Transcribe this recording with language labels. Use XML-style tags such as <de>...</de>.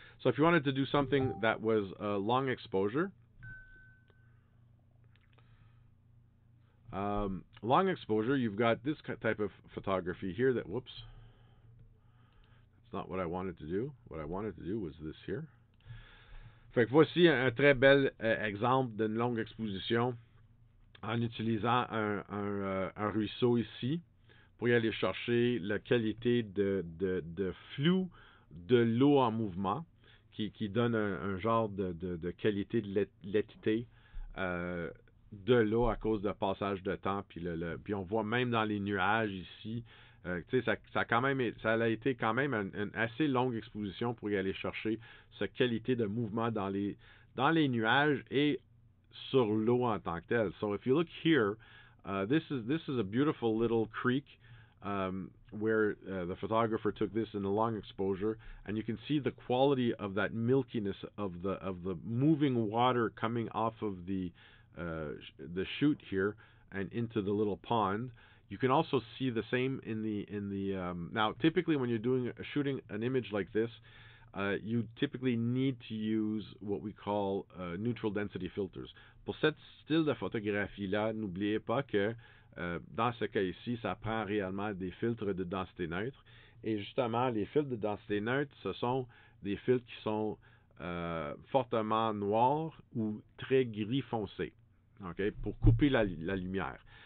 <en>So if you wanted to do something that was a long exposure, you've got this type of photography here that, whoops, that's not what I wanted to do. What I wanted to do was this here.</en> <fr>Fait que voici un très bel exemple d'une longue exposition en utilisant un ruisseau ici pour y aller chercher la qualité de flou de l'eau en mouvement. Qui donne un genre de qualité de l'étité de l'eau à cause de passage de temps. Puis puis on voit même dans les nuages ici, ça a été quand même une assez longue exposition pour y aller chercher cette qualité de mouvement dans les nuages et sur l'eau en tant que telle.</fr> <en>So if you look here, this is a beautiful little creek. Where the photographer took this in a long exposure, and you can see the quality of that milkiness of the moving water coming off of the chute here and into the little pond. You can also see the same now typically when you're doing shooting an image like this, you typically need to use what we call neutral density filters.</en> <fr>Pour cette style de photographie là, n'oubliez pas que dans ce cas ici, ça prend réellement des filtres de densité neutre. Et justement, les filtres de densité neutre, ce sont des filtres qui sont fortement noirs ou très gris foncé, okay, pour couper la lumière.</fr>